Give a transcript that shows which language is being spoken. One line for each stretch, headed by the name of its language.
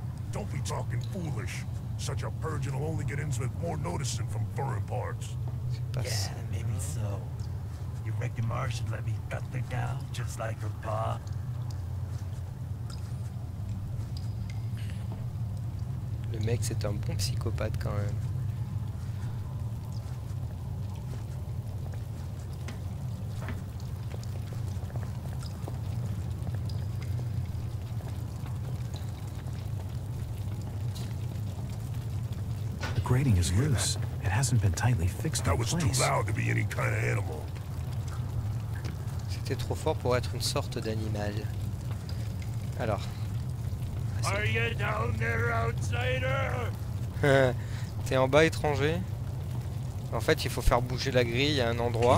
English: Don't be talking foolish. Such a purging will only get into it more noticing from foreign parts. Yeah, maybe so. You reckon Mars should let me cut the gal just like her pa?
French: Le mec, c'est un bon psychopathe quand même.
English: Grating is loose. It hasn't been tightly fixed in place. That was too loud to be any kind of animal.
French: C'était trop fort pour être une sorte d'animal. Alors.
English: Are you down there, outsider?
French: T'es en bas, étranger. En fait, il faut faire bouger la grille à un endroit.